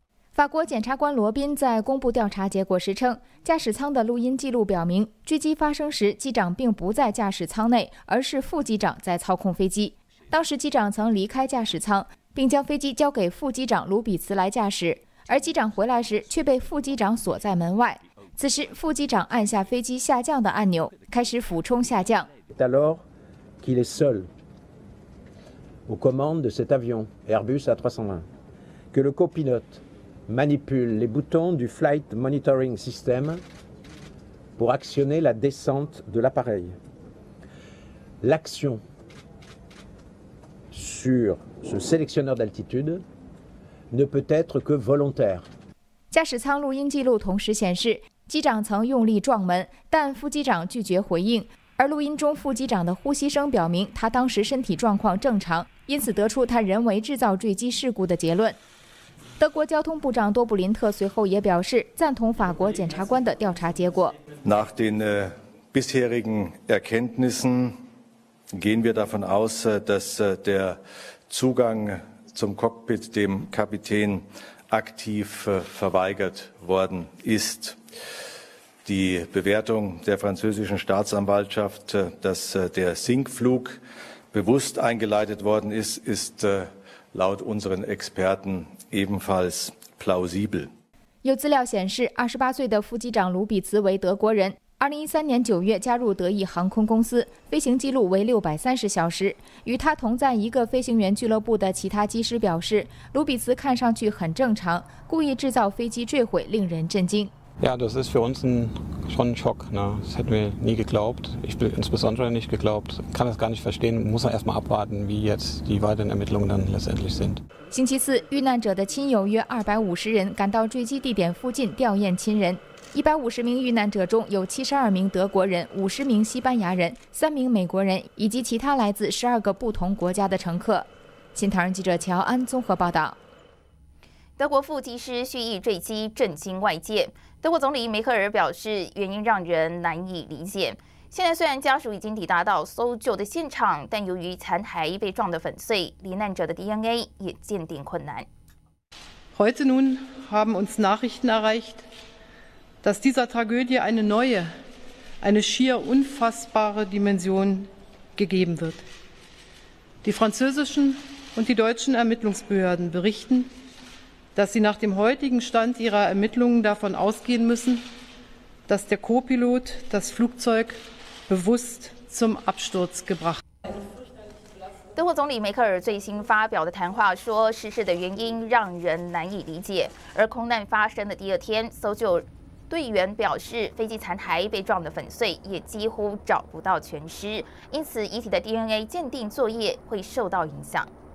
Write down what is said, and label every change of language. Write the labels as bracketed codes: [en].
[zh] 法国检察官罗宾在公布调查结果时称，驾驶舱的录音记录表明，坠机发生时机长并不在驾驶舱内，而是副机长在操控飞机。当时机长曾离开驾驶舱，并将飞机交给副机长卢比茨来驾驶，而机长回来时却被副机长锁在门外。此时副机长按下飞机下降的按钮，开始俯冲下降。 [fr] Alors qu'il est seul aux commandes de cet avion Airbus A301, que le copilote manipule les boutons du flight monitoring system pour actionner la descente de l'appareil. L'action sur ce sélectionneur d'altitude ne peut être que volontaire. [zh] 驾驶舱录音记录同时显示，机长曾用力撞门，但副机长拒绝回应。而录音中副机长的呼吸声表明，他当时身体状况正常，因此得出他人为制造坠机事故的结论。德国交通部长多布林特随后也表示赞同法国检察官的调查结果。 [de] Nach den bisherigen Erkenntnissen gehen wir davon aus, dass der Zugang zum Cockpit dem Kapitän aktiv verweigert worden ist. Die Bewertung der französischen Staatsanwaltschaft, dass der Sinkflug bewusst eingeleitet worden ist, ist laut unseren Experten ebenfalls plausibel. [zh] 有资料显示，28岁的副机长卢比茨为德国人。 2013年9月加入德意航空公司，飞行记录为630小时。与他同在一个飞行员俱乐部的其他机师表示，卢比茨看上去很正常，故意制造飞机坠毁令人震惊。 [de] Ja, das ist für uns schon ein Schock. Ne? Das hätten wir nie geglaubt. Ich bin insbesondere nicht geglaubt. Kann das gar nicht verstehen. Muss er erstmal abwarten, wie jetzt die weiteren Ermittlungen dann letztendlich sind. [zh] 星期四，遇难者的亲友约250人赶到坠机地点附近吊唁亲人。 150名遇难者中有72名德国人、50名西班牙人、3名美国人以及其他来自12个不同国家的乘客。新唐人记者乔安综合报道。德国副机师蓄意坠机震惊外界。德国总理梅克尔表示，原因让人难以理解。现在虽然家属已经抵达到搜救的现场，但由于残骸被撞得粉碎，罹难者的 DNA 也鉴定困难。 [de] Heute nun haben uns Nachrichten erreicht. Dass dieser Tragödie eine neue, eine schier unfassbare Dimension gegeben wird. Die französischen und die deutschen Ermittlungsbehörden berichten, dass sie nach dem heutigen Stand ihrer Ermittlungen davon ausgehen müssen, dass der Co-Pilot das Flugzeug bewusst zum Absturz gebracht hat. [zh] 德国总理梅克尔最新发表的谈话说，失事的原因让人难以理解。而空难发生的第二天，搜救队员表示，飞机残骸被撞得粉碎，也几乎找不到全尸，因此遗体的 DNA 鉴定作业会受到影响。